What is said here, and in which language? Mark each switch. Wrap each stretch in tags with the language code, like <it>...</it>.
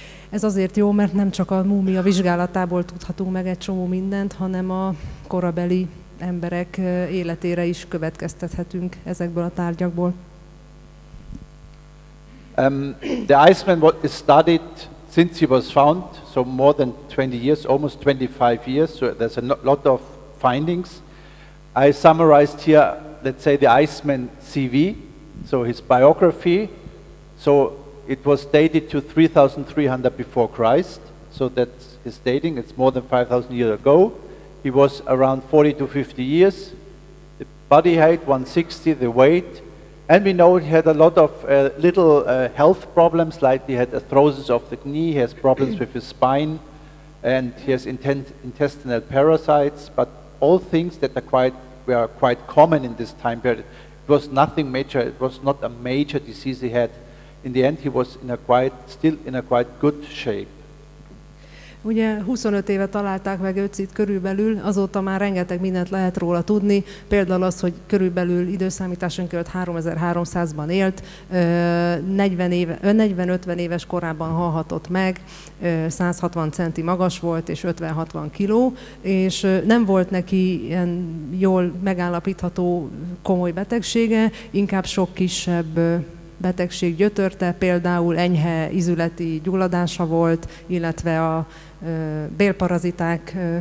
<hu>Ez azért jó, mert nem csak a múmia vizsgálatából tudhatunk meg egy csomó mindent, hanem a korabeli emberek életére is következtethetünk ezekből a tárgyakból.</hu> <en>The Iceman was studied since he was found, so more than 20 years, almost 25 years, so there's a lot of findings. I summarized here, let's say, the Iceman CV, so his biography. So it was dated to 3300 before Christ, so that's his dating, it's more than 5000 years ago. He was around 40 to 50 years, the body height 160, the weight, and we know he had a lot of little health problems, like he had arthrosis of the knee, he has problems with his spine, and he has intestinal parasites, but all things that were quite common in this time period. It was nothing major, it was not a major disease he had. In the end, he was still in a quite good shape.</en> <hu>Ugye 25 éve találták meg Öcit körülbelül, azóta már rengeteg mindent lehet róla tudni, például az, hogy körülbelül időszámításunk előtt 3300-ban élt, 40-50 éves korában halhatott meg, 160 centi magas volt és 50-60 kiló, és nem volt neki ilyen jól megállapítható komoly betegsége, inkább sok kisebb betegség gyötörte, például enyhe ízületi gyulladása volt, illetve a bélparaziták</hu>